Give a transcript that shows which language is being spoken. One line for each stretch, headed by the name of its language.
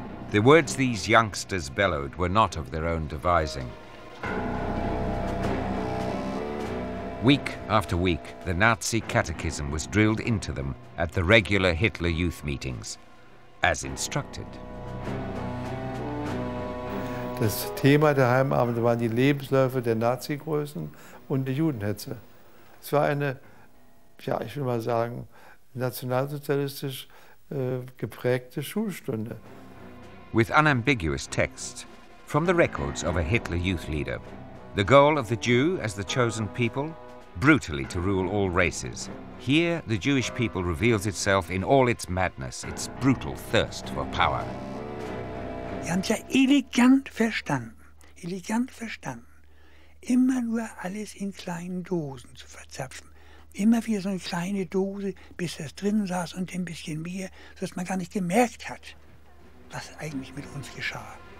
English: The words these youngsters bellowed were not of their own devising. Week after week, the Nazi catechism was drilled into them at the regular Hitler youth meetings, as instructed.
German: Das Thema der Heimabende waren die Lebensläufe der Nazi-Größen und der Judenhetze. Es war eine, ja, ich will mal sagen, nationalsozialistisch geprägte Schulstunde.
English: With unambiguous texts from the records of a Hitler youth leader, the goal of the Jew as the chosen people, brutally to rule all races. Here, the Jewish people reveals itself in all its madness, its brutal thirst for power.
German: Sie haben es ja elegant verstanden. Elegant verstanden. Immer nur alles in kleinen Dosen zu verzapfen. Immer wieder so eine kleine Dose, bis es drin saß und ein bisschen mehr, sodass man gar nicht gemerkt hat, was eigentlich mit uns geschah.